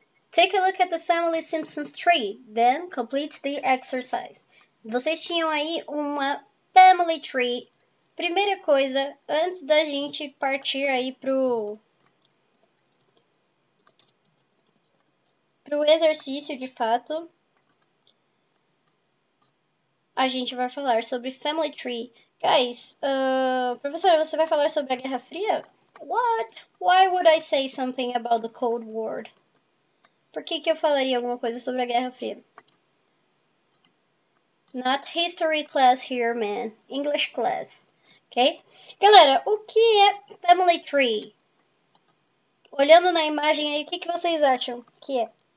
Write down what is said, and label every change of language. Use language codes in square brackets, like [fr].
[en] Take a look at the family Simpsons tree, then complete the exercise. [pt] Vocês tinham aí uma family tree. Primeira coisa, antes da gente partir aí pro exercício de fato, a gente vai falar sobre Family Tree. Guys, professora, você vai falar sobre a Guerra Fria? [en] What? Why would I say something about the Cold War? [pt] Por que que eu falaria alguma coisa sobre a Guerra Fria? [en] Not history class here, man. English class. Ok? [pt] Galera, o que é family tree? Olhando na imagem aí, o que que vocês acham que é?